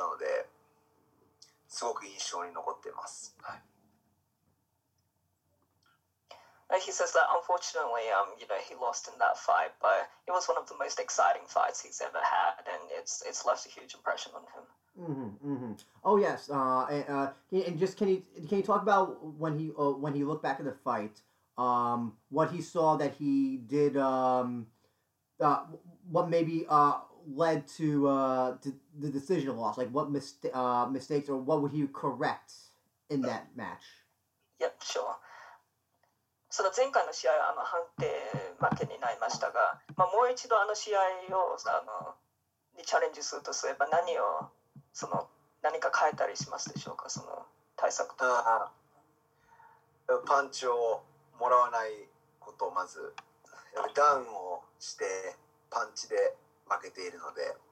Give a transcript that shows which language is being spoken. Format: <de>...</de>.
<ja>あの前回のあのライズあのワンフォーティーのあの対戦相手はあの緑川選手でしたが、あの試合をあの振り返ってみていかがでしょうか。ああ、そう、まあ負けてしまったのですごく悔しいのですが、今までで一番自分自身エキサイトした試合だったのですごく印象に残っています。</ja> <en>He says that unfortunately, you know, he lost in that fight, but it was one of the most exciting fights he's ever had, and it's left a huge impression on him. Mm-hmm, mm-hmm. Oh yes. Can you talk about when he looked back at the fight, what he saw that he did, what maybe led to the decision loss, like what mistakes or what would he correct in that match? Yep. Sure.</en> <ja>その前回の試合はあの判定負けになりましたが、まあ、もう一度あの試合をあのにチャレンジするとすれば何をその何か変えたりしますでしょうか、その対策とか。パンチをもらわないことをまず、ダウンをしてパンチで負けているので、</ja>